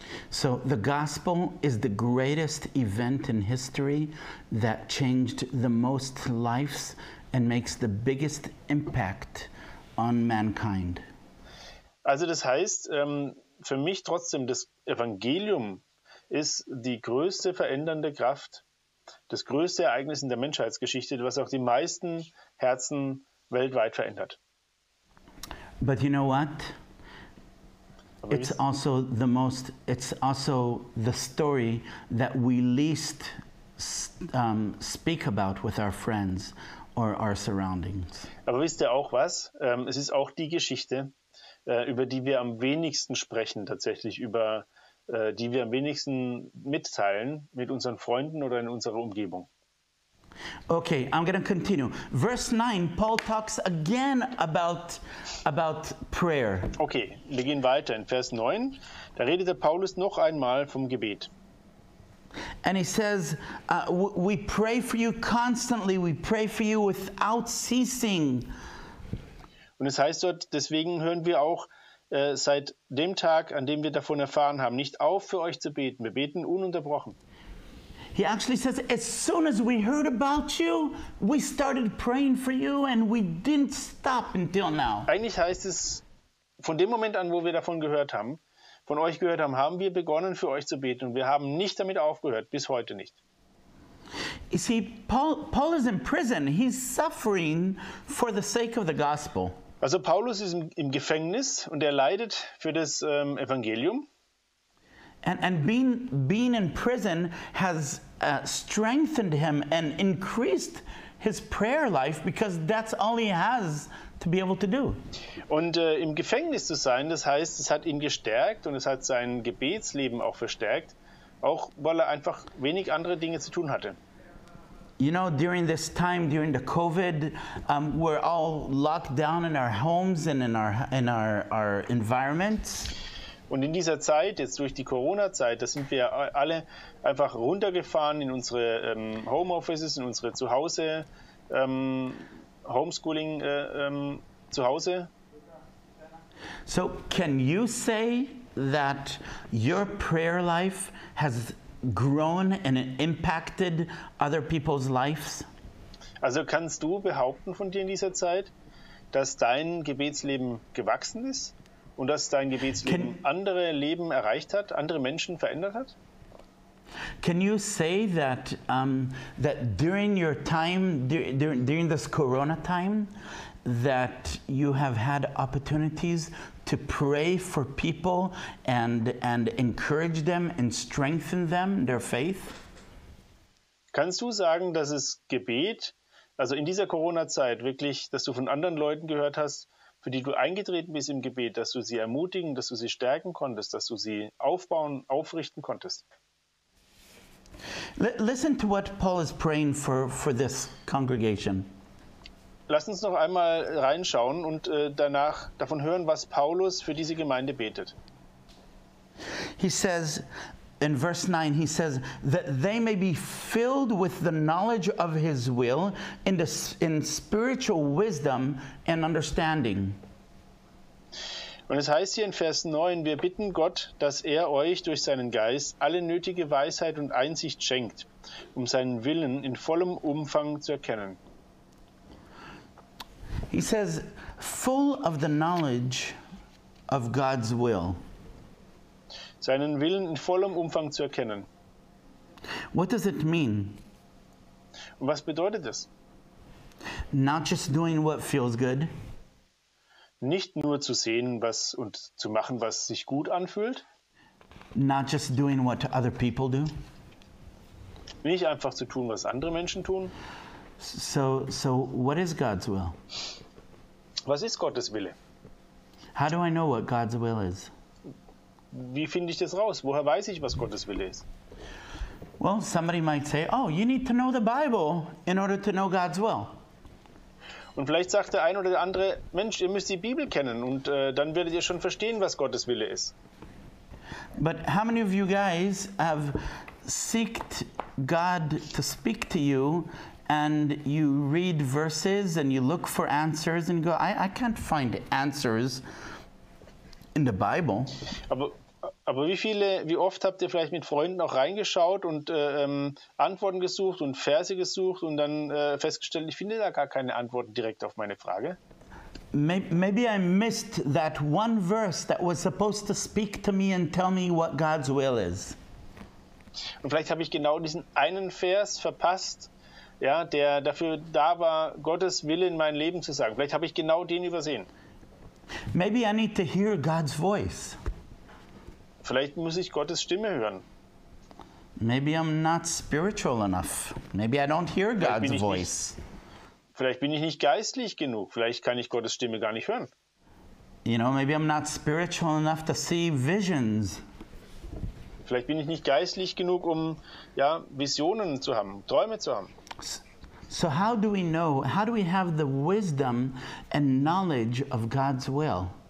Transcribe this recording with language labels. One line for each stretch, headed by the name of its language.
English: So the gospel is the greatest event in history that changed the most lives and makes the biggest impact on mankind.
German: Also das heißt, für mich trotzdem, das Evangelium ist die größte verändernde Kraft, das größte Ereignis in der Menschheitsgeschichte, was auch die meisten Herzen weltweit verändert.
English: But you know what? It's also the story that we least speak about with our friends or our surroundings.
German: Aber wisst ihr auch was? Es ist auch die Geschichte, über die wir am wenigsten sprechen tatsächlich, über die wir am wenigsten mitteilen mit unseren Freunden oder in unserer Umgebung.
English: Okay, I'm going to continue. Verse 9, Paul talks again about prayer.
German: Okay, wir gehen weiter. In Vers 9, da redet der Paulus noch einmal vom Gebet.
English: And he says, we pray for you constantly, we pray for you without ceasing.
German: Und es heißt dort, deswegen hören wir auch seit dem Tag, an dem wir davon erfahren haben, nicht auf für euch zu beten. Wir beten ununterbrochen.
English: He actually says, as soon as we heard about you, we started praying for you and we didn't stop until now.
German: Eigentlich heißt es, von dem Moment an, wo wir davon gehört haben, von euch gehört haben, haben wir begonnen, für euch zu beten und wir haben nicht damit aufgehört, bis heute nicht.
English: You see, Paul is in prison. He's suffering for the sake of the gospel.
German: Also Paulus ist im Gefängnis und er leidet für das Evangelium.
English: And being in prison has strengthened him and increased his prayer life because that's all he has to be able to do.
German: Und im Gefängnis zu sein, das heißt, es hat ihn gestärkt und es hat sein Gebetsleben auch verstärkt, auch weil er einfach wenig andere Dinge zu tun hatte.
English: You know, during this time, during the COVID, we're all locked down in our homes and in our environments.
German: Und in dieser Zeit, jetzt durch die Corona-Zeit, da sind wir alle einfach runtergefahren in unsere Homeoffices, in unsere Zuhause, Homeschooling Zuhause.
English: So, can you say that your prayer life has grown and impacted other people's lives?
German: Also kannst du behaupten von dir in dieser Zeit, dass dein Gebetsleben gewachsen ist und dass dein Gebetsleben andere Leben erreicht hat, andere Menschen verändert hat?
English: Can you say that that during your time during this Corona time that you have had opportunities to pray for people and encourage them and strengthen them, their faith?
German: Kannst du sagen, dass es Gebet, also in dieser Corona-Zeit wirklich, dass du von anderen Leuten gehört hast, für die du eingetreten bist im Gebet, dass du sie ermutigen, dass du sie stärken konntest, dass du sie aufbauen, aufrichten konntest?
English: Listen to what Paul is praying for this congregation.
German: Lass uns noch einmal reinschauen und danach davon hören, was Paulus für diese Gemeinde betet.
English: He says in verse 9, he says that they may be filled with the knowledge of his will in spiritual wisdom and understanding.
German: Und es heißt hier in Vers 9, wir bitten Gott, dass er euch durch seinen Geist alle nötige Weisheit und Einsicht schenkt, um seinen Willen in vollem Umfang zu erkennen.
English: He says, full of the knowledge of God's will.
German: Seinen Willen in vollem Umfang zu erkennen.
English: What does it mean?
German: Und was bedeutet das?
English: Not just doing what feels good.
German: Nicht nur zu sehen was und zu machen, was sich gut anfühlt.
English: Not just doing what other people do.
German: Nicht einfach zu tun, was andere Menschen tun.
English: So what is God's will?
German: Was ist Gottes Wille?
English: How do I know what God's will is?
German: Wie finde ich das raus? Woher weiß ich, was Gottes Wille ist?
English: Well, somebody might say, oh, you need to know the Bible in order to know God's will.
German: Und vielleicht sagt der ein oder der andere, Mensch, ihr müsst die Bibel kennen und dann werdet ihr schon verstehen, was Gottes Wille ist.
English: But how many of you guys have sought God to speak to you? And you read verses and you look for answers and go, I can't find answers in the Bible.
German: Aber wie oft habt ihr vielleicht mit Freunden auch reingeschaut und Antworten gesucht und Verse gesucht und dann festgestellt, ich finde da gar keine Antworten direkt auf meine Frage?
English: Maybe I missed that one verse that was supposed to speak to me and tell me what God's will is.
German: Und vielleicht habe ich genau diesen einen Vers verpasst, ja, der dafür da war, Gottes Wille in mein Leben zu sagen. Vielleicht habe ich genau den übersehen.
English: Maybe I need to hear God's voice.
German: Vielleicht muss ich Gottes Stimme hören.
English: Maybe I'm not spiritual enough. Maybe I don't hear God's voice.
German: Vielleicht bin ich nicht geistlich genug. Vielleicht kann ich Gottes Stimme gar nicht hören.
English: You know, maybe I'm not spiritual enough to see visions.
German: Vielleicht bin ich nicht geistlich genug, um ja, Visionen zu haben, Träume zu haben.
English: So how do we know, how do we have the wisdom and knowledge of God's will?